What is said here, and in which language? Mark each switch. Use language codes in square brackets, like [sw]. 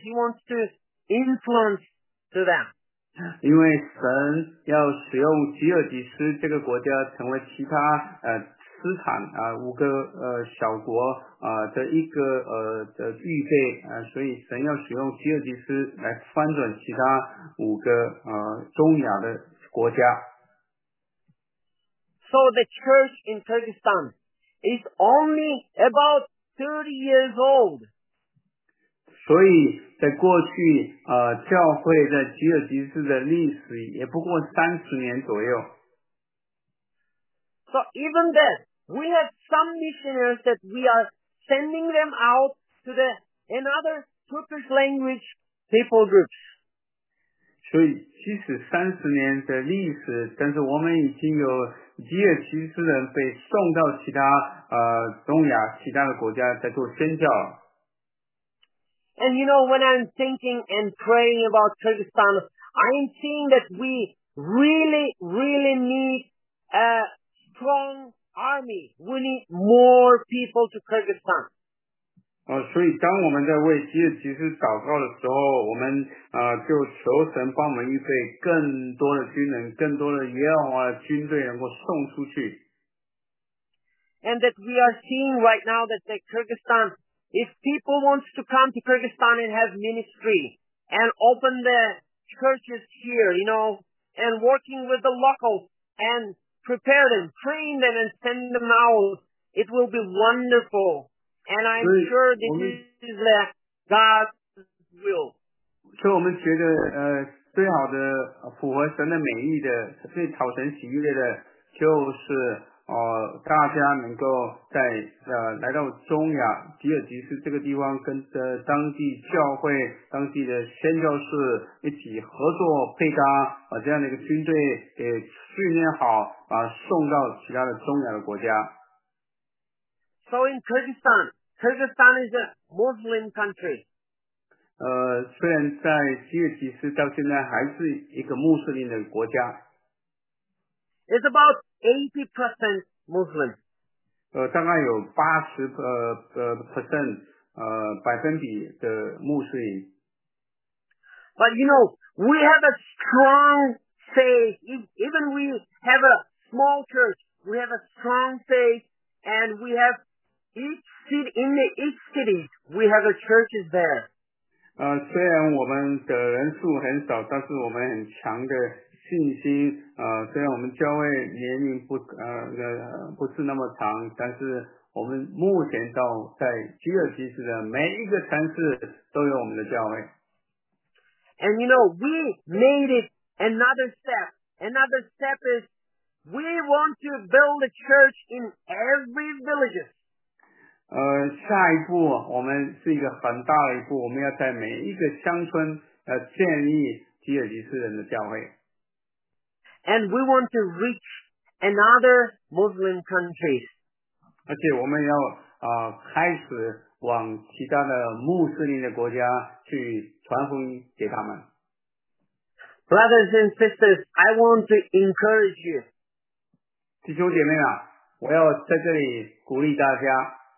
[en] He wants to influence to them. [zh] 因为神要使用吉尔吉斯这个国家成为其他斯坦五个小国的一个的预备所以神要使用吉尔吉斯来翻转其他五个中亚的国家。 [en] So the church in Kyrgyzstan is only about 30 years old. [zh] 所以在过去教会在吉尔吉斯的历史也不过30年左右。 [en] So even then, we have some missionaries that we are sending them out to the another Turkish language people groups. [zh] 所以即使三十年的历史，但是我们已经有吉尔吉斯人被送到其他中亚其他的国家在做宣教。 [en] And you know, when I'm thinking and praying about Kyrgyzstan, I'm seeing that we really, really need a strong army. We need more people to Kyrgyzstan. [zh] 所以当我们在为吉尔吉斯祷告的时候，我们就求神帮我们预备更多的军人，更多的耶和华的军队能够送出去。 [en] And that we are seeing right now that the Kyrgyzstan,If people want to come to Kyrgyzstan and have ministry and open the churches here, you know, and working with the locals and prepare them, train them and send them out, it will be wonderful. And I'm sure this is God's will. [zh] 所以我们觉得最好的符合神的美意的最讨神喜悦的就是大家能够在来到中亚吉尔吉斯这个地方跟着当地教会当地的宣教士一起合作配搭这样的一个军队给训练好送到其他的中亚的国家。 [en] So in Kyrgyzstan, Kyrgyzstan is a Muslim country. [zh] 虽然在吉尔吉斯到现在还是一个穆斯林的国家。 [en] It's about 80% Muslim. [zh] 大概有80% 百分比的穆斯林。 [en] But you know, we have a strong faith. Even we have a small church, we have a strong faith, and we have each city, we have a churches there. [zh] 虽然我们的人数很少，但是我们很强的。信心虽然我们教会年龄不是那么长，但是我们目前到在吉尔吉斯的每一个城市都有我们的教会。 [en] And you know, we made it another step. Another step is we want to build a church in every village. [zh] 下一步我们是一个很大的一步，我们要在每一个乡村建立吉尔吉斯人的教会。 [en] And we want to reach another Muslim countries. [zh] 而且我们要开始往其他的穆斯林的国家去传福音给他们。 [en] Brothers and sisters, I want to encourage you. [zh] 弟兄姐妹啊，我要在这里鼓励大家。